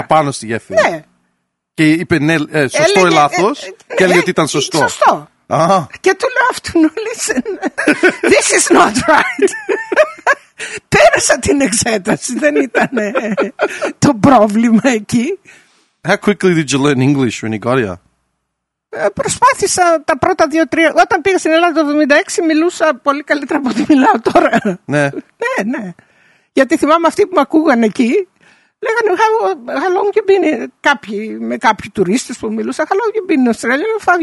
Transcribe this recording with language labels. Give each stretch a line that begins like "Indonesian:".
Greek: Απάνω στη γέφυρα. Ναι. Και είπε ναι, σωστό ή λάθος. Και έλεγε ότι ήταν σωστό. Σωστό. Και του λέω αυτού,
English: listen, this is not right.
Greek: Πέρασα την εξέταση, δεν ήταν το πρόβλημα εκεί.
English: How quickly did you learn English when you got here?
Greek: Προσπάθησα τα πρώτα δύο-τρία. Όταν πήγα στην Ελλάδα το 1976, μιλούσα πολύ καλύτερα από ό,τι μιλάω τώρα. Ναι. Ναι, ναι. Γιατί θυμάμαι αυτοί που με ακούγαν εκεί, λέγανε
English: How long you been?
Greek: Κάποιοι, με κάποιοι τουρίστες που μιλούσα,
English: How long you been in Australia?